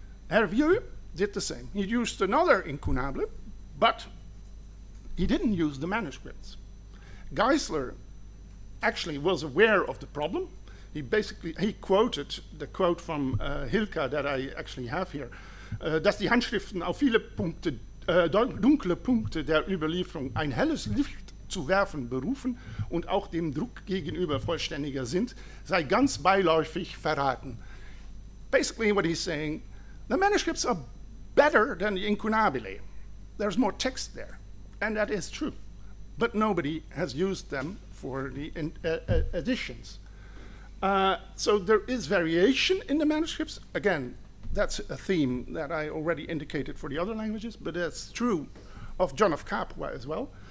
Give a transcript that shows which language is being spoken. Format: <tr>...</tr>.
<en>Hervieux did the same. He used another incunabile, but he didn't use the manuscripts. Geisler actually was aware of the problem. He quoted the quote from Hilke that I actually have here.</en> <de>Dass die Handschriften auf viele Punkte, dunkle Punkte der Überlieferung ein helles Licht zu werfen berufen und auch dem Druck gegenüber vollständiger sind, sei ganz beiläufig verraten.</de> <en>Basically what he's saying, the manuscripts are better than the incunabile. There's more text there, and that is true. But nobody has used them for the editions. So there is variation in the manuscripts. Again, that's a theme that I already indicated for the other languages, but that's true of John of Capua as well.</en>